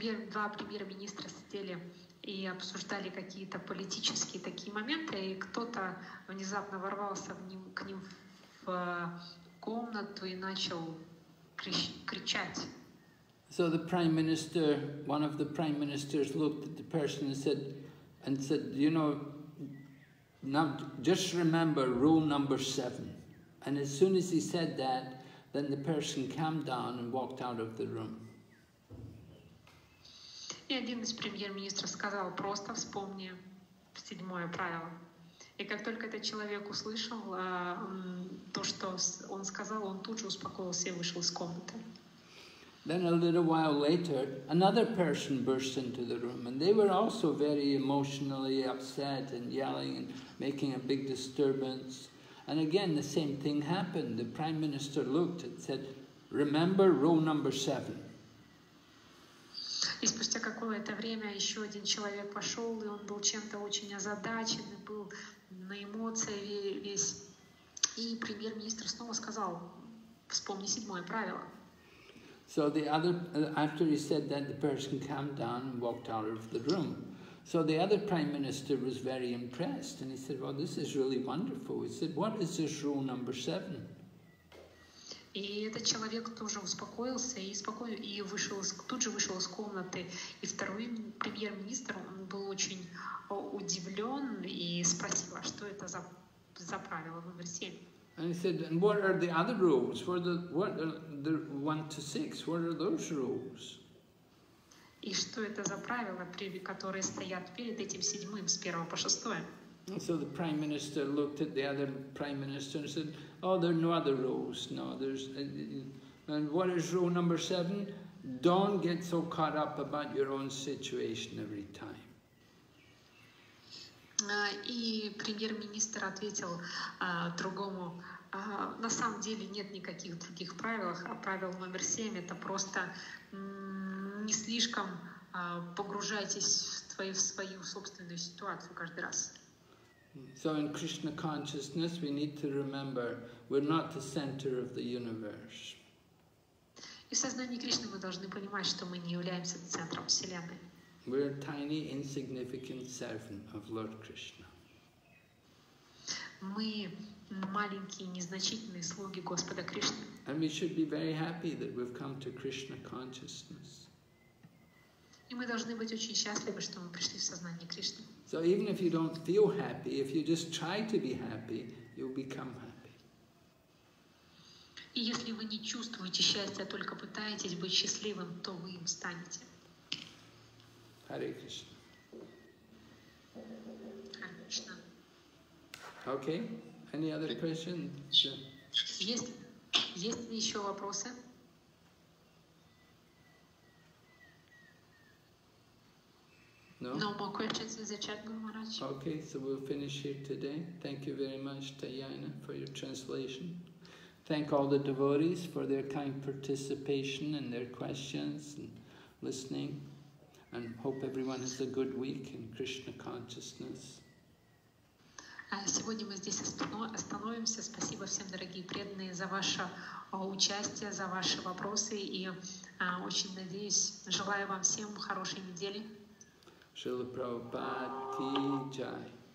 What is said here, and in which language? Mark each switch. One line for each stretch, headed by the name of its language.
Russian: Два премьер-министра сидели и обсуждали какие-то политические такие моменты, и кто-то внезапно ворвался к ним в комнату и начал кричать.
English: So the prime minister, one of the prime ministers looked at the person and said, you know, now just remember rule number 7. And as soon as he said that, then the person calmed down and walked out of the room.
Russian: И один из премьер-министров сказал, просто вспомни 7-е правило. И как только этот человек услышал то, что он сказал, он тут же успокоился и вышел из комнаты.
English: Then a little while later, another person burst into the room, and they were also very emotionally upset and yelling and making a big disturbance. And again, the same thing happened. The prime minister looked and said, "Remember rule number 7."
Russian: И спустя какое-то время еще один человек пошел, и он был чем-то очень озадачен, и был на эмоции весь. И премьер-министр снова сказал, вспомни 7-е правило.
English: So the other, after he said that, the person calmed down and walked out of the room. So the other prime minister was very impressed, and he said, well, this is really wonderful. He said, what is this rule number 7?
Russian: И этот человек тоже успокоился и тут же вышел из комнаты. И второй премьер-министр, он был очень удивлен и спросил, а что это за правило номер 7?
English: And he said, and what are the other rules? What are the 1-6? What are those rules?
Russian: И что это за правила, которые стоят перед этим 7-м, с 1-го по 6-е?
English: So the prime minister looked at the other prime minister and said, oh, there are no other rows. No, there's... And what is row number seven? Don't get so caught up about your own situation every time.
Russian: И премьер-министр ответил другому, на самом деле нет никаких других правил, а правило номер семь — это просто не слишком погружайтесь в свою собственную ситуацию каждый раз.
English: So in Krishna consciousness we need to remember we're not the center of the universe.
Russian: И в сознании Кришны мы должны понимать, что мы не являемся центром Вселенной.
English: We're a tiny, insignificant servant of Lord Krishna.
Russian: Мы маленькие, незначительные слуги Господа Кришны.
English: And we should be very happy that we've come to Krishna consciousness.
Russian: И мы должны быть очень счастливы, что мы пришли в сознание Кришны.
English: So even if you don't feel happy, if you just try to be happy, you'll become happy.
Russian: И если вы не чувствуете счастья, а только пытаетесь быть счастливым, то вы им станете.
English: Hare Krishna. Okay. Any other questions?
Russian: Есть ли еще вопросы?
English: No. No more questions in the chat, Guru Maharaj. Okay, so we'll finish here today. Thank you very much, Tayana, for your translation. Thank all the devotees for their kind participation and their questions and listening. And hope everyone has a good week in Krishna consciousness.
Russian: Сегодня мы здесь остановимся. Спасибо всем, дорогие преданные, за ваше участие, за ваши вопросы. И очень надеюсь, желаю вам всем хорошей недели. Шрила Прабхупада ки джай.